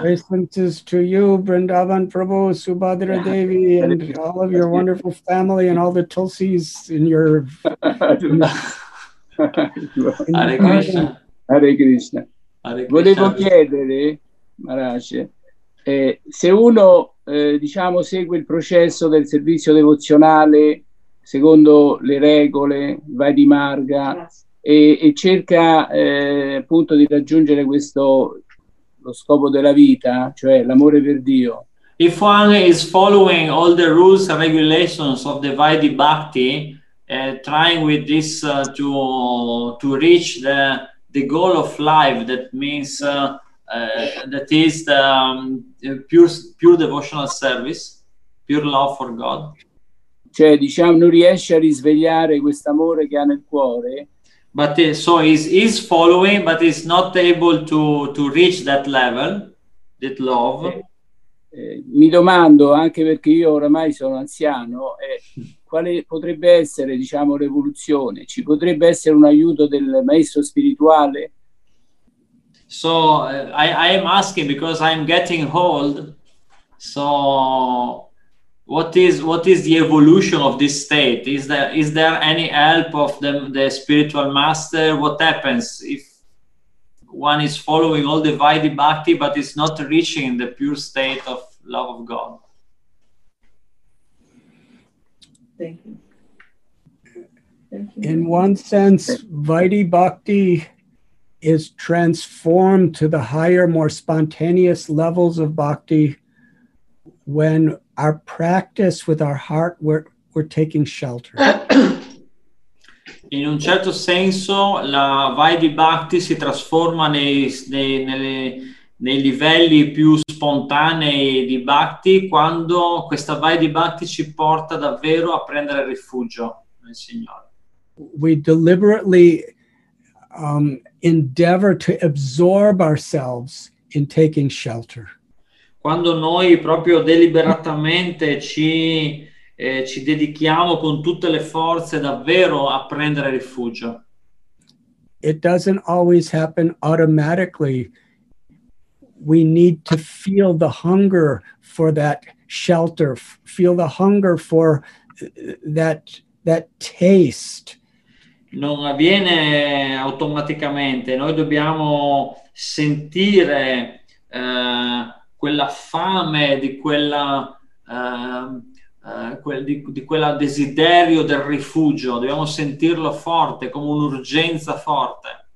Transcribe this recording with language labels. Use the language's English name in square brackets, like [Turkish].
[English] My obeisances to you, Vrindavan Prabhu, Subhadra Devi, and all of your wonderful family, and all the Tulsis in your... Hare Krishna. Hare Krishna. [Italian] Volevo chiedere, Maharaj, se uno diciamo segue il processo del servizio devozionale secondo le regole, vai di Marga e cerca appunto di raggiungere questo lo scopo della vita, cioè l'amore per Dio. [English] If one is following all the rules and regulations of the Vaidhi Bhakti, trying with this to reach the goal of life, that means that is the pure devotional service, pure love for God. [Italian] Cioè, diciamo, non riesce a risvegliare quest'amore che ha nel cuore. [English] But so is following, but is not able to reach that level, that love. [Italian] Mi domando, anche perché io oramai sono anziano, quale potrebbe essere, diciamo, l'evoluzione? Ci potrebbe essere un aiuto del maestro spirituale? [English] So, I am asking because I am getting old. So, what is the evolution of this state? Is there any help of the spiritual master? What happens if one is following all the Vaidhi Bhakti but is not reaching the pure state of love of God? Thank you. In one sense, Vaidhi Bhakti is transformed to the higher, more spontaneous levels of bhakti when our practice with our heart, we're taking shelter. [Italian] In un certo senso, la Vaidhi Bhakti si trasforma nei livelli più spontanei di bhakti quando questa Vaidhi Bhakti ci porta davvero a prendere rifugio nel Signore. [English] We deliberately endeavor to absorb ourselves in taking shelter. [Italian] Quando noi proprio deliberatamente ci dedichiamo con tutte le forze davvero a prendere rifugio. [English] It doesn't always happen automatically. We need to feel the hunger for that shelter, feel the hunger for that taste. [Italian] Non avviene automaticamente, noi dobbiamo sentire quella fame di quel desiderio del rifugio, dobbiamo sentirlo forte, come un'urgenza forte.